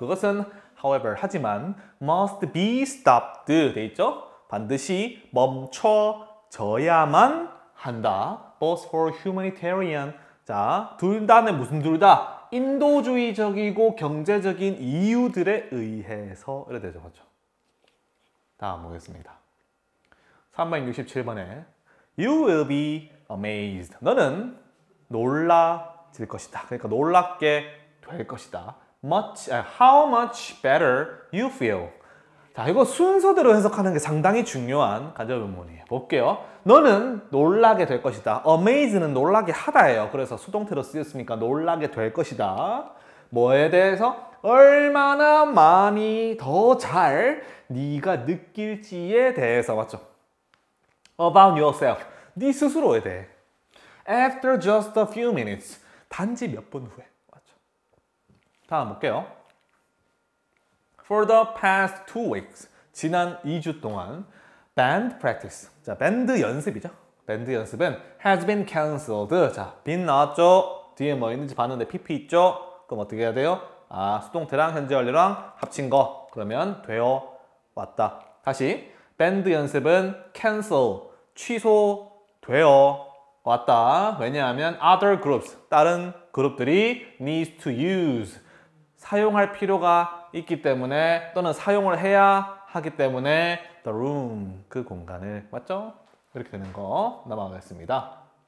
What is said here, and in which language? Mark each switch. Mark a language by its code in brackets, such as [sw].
[ko] 그것은 [en] however, [ko] 하지만 [en] must be stopped [ko] 돼 있죠? 반드시 멈춰져야만 한다. [en] Both for humanitarian [ko] 자, 둘 다는 무슨 둘 다? 인도주의적이고 경제적인 이유들에 의해서 이래 되죠, 맞죠? 다음 보겠습니다. [en] 367번에 You will be amazed. [ko] 너는 놀라질 것이다. 그러니까 놀랍게 될 것이다. [en] How much better you feel. [ko] 자, 이거 순서대로 해석하는 게 상당히 중요한 간접 문문이에요. 볼게요. 너는 놀라게 될 것이다. Amaze는 놀라게 하다예요. 그래서 수동태로 쓰였으니까 놀라게 될 것이다. 뭐에 대해서 얼마나 많이 더 잘 네가 느낄지에 대해서 맞죠? [en] About yourself. [ko] 네 스스로에 대해. [en] After just a few minutes. [ko] 단지 몇 분 후에. 맞죠? 다음 볼게요. [en] For the past 2 weeks, [ko] 지난 2주 동안 [en] band practice, [ko] 자 밴드 연습이죠. 밴드 연습은 [en] has been cancelled. [ko] 자, been 나왔죠. 뒤에 뭐 있는지 봤는데 pp 있죠. 그럼 어떻게 해야 돼요? 아, 수동태랑 현재 완료랑 합친 거. 그러면 되어 왔다. 다시 밴드 연습은 cancel, 취소되어 왔다. 왜냐하면 [en] other groups, [ko] 다른 그룹들이 [en] needs to use, [ko] 사용할 필요가 있기 때문에 또는 사용을 해야 하기 때문에 [en] the room [ko] 그 공간을 맞죠? 이렇게 되는 거 넘어가겠습니다.